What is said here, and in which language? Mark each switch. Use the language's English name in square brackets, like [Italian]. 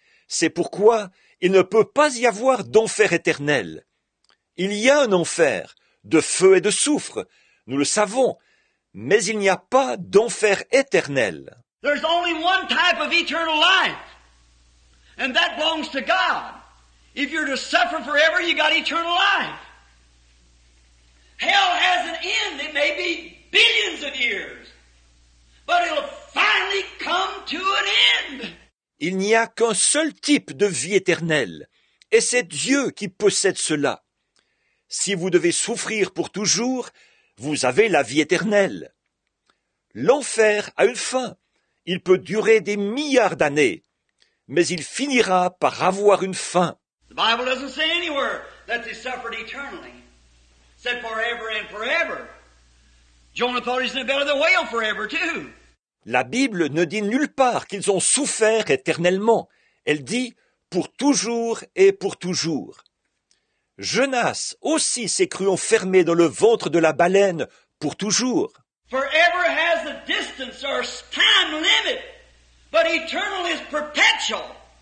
[French] C'est pourquoi il ne peut pas y avoir d'enfer éternel. Il y a un enfer, de feu et de soufre, nous le savons, mais il n'y a pas d'enfer éternel. [English] There's only one type of eternal life, and that belongs to God. If you're to suffer forever, you got eternal life. Hell has an end. It may be billions of years, but it'll finally come to an end. [French] Il n'y a qu'un seul type de vie éternelle, et c'est Dieu qui possède cela. Si vous devez souffrir pour toujours, vous avez la vie éternelle. L'enfer a une fin. Il peut durer des milliards d'années, mais il finira par avoir une fin. [English] The Bible doesn't say anywhere that they suffered eternally. It said forever and forever. Jonah thought he's in the belly of the whale forever too. [French] La Bible ne dit nulle part qu'ils ont souffert éternellement. Elle dit « pour toujours et pour toujours ». Jonas aussi s'est cru enfermé dans le ventre de la baleine pour toujours. [English] Forever has a distance or time limit, but eternal is perpetual.